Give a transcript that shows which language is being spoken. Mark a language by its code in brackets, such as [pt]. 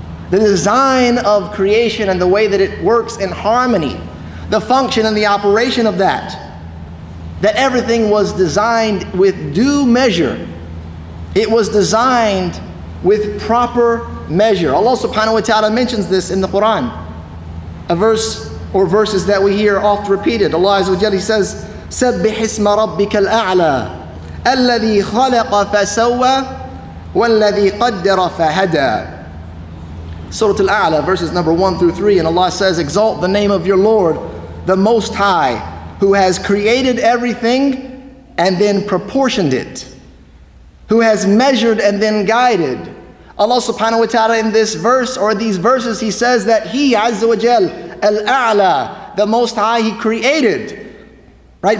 [en] The design of creation and the way that it works in harmony, the function and the operation of that, that everything was designed with due measure. It was designed with proper measure. Allah subhanahu wa ta'ala mentions this in the Quran, a verse or verses that we hear oft repeated. [ar] Allah azza wa jalla says, سَبِّحِ اسْمَ رَبِّكَ الْأَعْلَى الَّذِي خَلَقَ فَسَوَّى وَالَّذِي قَدَّرَ فَهَدَى. [en] Surah Al-A'la, verses number 1-3, and Allah says, exalt the name of your Lord, the Most High, who has created everything and then proportioned it, who has measured and then guided. Allah subhanahu wa ta'ala in this verse, or these verses, He says that He, Azza wa Jal, Al-A'la, the Most High, He created, right?